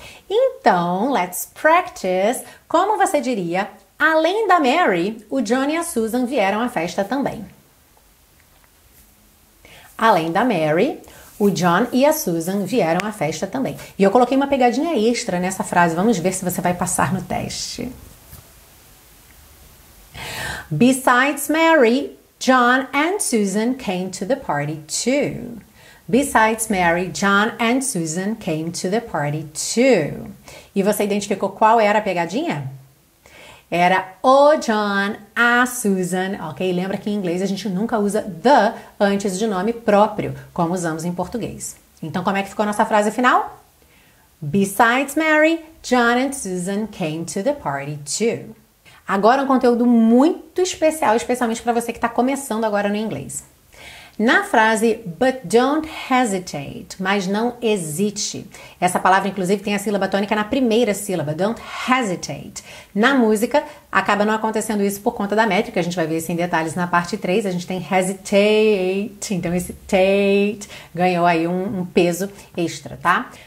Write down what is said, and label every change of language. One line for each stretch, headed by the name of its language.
Portuguese: Então,
English: let's practice.
Portuguese: Como você diria: além da Mary, o Johnny e a Susan vieram à festa também. Além da Mary, o John e a Susan vieram à festa também. E eu coloquei uma pegadinha extra nessa frase. Vamos ver se você vai passar no teste.
English: Besides Mary, John and Susan came to the party too. Besides Mary, John and Susan came to the party too.
Portuguese: E você identificou qual era a pegadinha? Era o John, a Susan, ok? Lembra que em inglês a gente nunca usa the antes de nome próprio, como usamos em português. Então, como é que ficou nossa frase final?
English: Besides Mary, John and Susan came to the party too.
Portuguese: Agora um conteúdo muito especial, especialmente para você que está começando agora no inglês. Na frase,
English: but don't hesitate,
Portuguese: mas não hesite. Essa palavra, inclusive, tem a sílaba tônica na primeira sílaba,
English: don't hesitate.
Portuguese: Na música, acaba não acontecendo isso por conta da métrica, a gente vai ver isso em detalhes na parte 3, a gente tem hesitate, então esse tate ganhou aí um peso extra, tá?